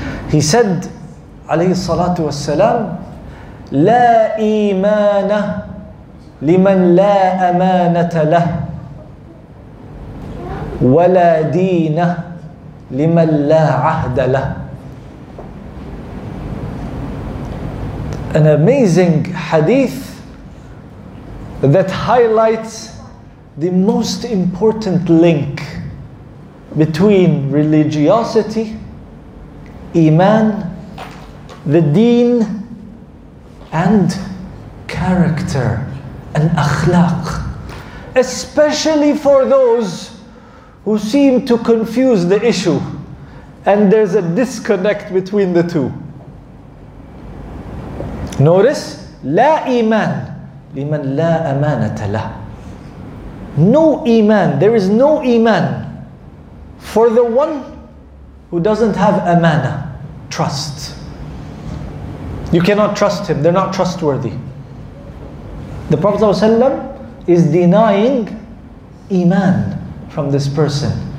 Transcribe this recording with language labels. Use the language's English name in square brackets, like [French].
[English] He said, [Arabic] عَلَيْهِ الصَّلَاةُ وَالسَّلَامُ, لَا إِيمَانَ لِمَنْ لَا أَمَانَةَ لَهُ وَلَا دِينَ لِمَنْ لَا عَهْدَ لَهُ. [English] An amazing hadith that highlights the most important link between religiosity, iman, the deen, and character and akhlaq, especially for those who seem to confuse the issue. and there's a disconnect between the two. Notice, [Arabic] لا إيمان لمن لا أمانة له. [English] No إيمان, there is no إيمان for the one who doesn't have أمانة, trust. You cannot trust him, they're not trustworthy. The Prophet ﷺ is denying Iman from this person.